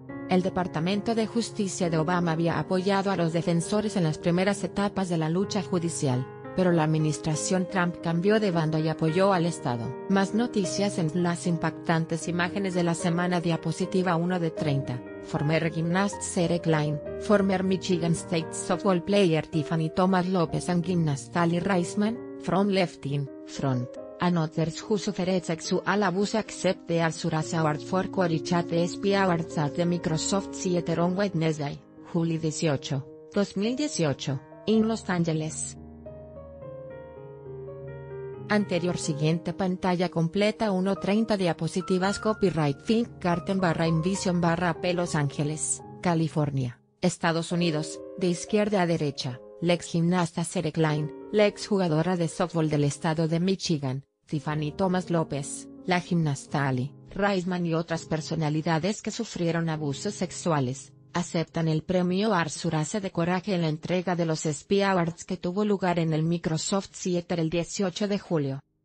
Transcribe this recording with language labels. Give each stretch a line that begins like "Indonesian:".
Spanish: El Departamento de Justicia de Obama había apoyado a los defensores en las primeras etapas de la lucha judicial, pero la administración Trump cambió de bando y apoyó al Estado. Más noticias en las impactantes imágenes de la semana. Diapositiva 1 de 30.
English: Former gymnast Sarah Klein, former Michigan State softball player Tiffany Thomas Lopez and gymnast Ali Reisman, from left in, front. Others who suffered sexual abuse accept the Azure Award for Corey Chat the ESPY Awards at the Microsoft Theater on Wednesday, July 18, 2018, in Los Angeles.
Spanish: Anterior siguiente pantalla completa 1:30 diapositivas copyright Think Garden / Invision / AP Los Ángeles, California, Estados Unidos, de izquierda a derecha, la ex gimnasta Sarah Klein, la ex jugadora de softball del estado de Michigan, Tiffany Thomas López, la gimnasta Ali Reisman y otras personalidades que sufrieron abusos sexuales, aceptan el premio Arsurase de Coraje en la entrega de los ESPY Awards que tuvo lugar en el Microsoft Theater el 18 de julio.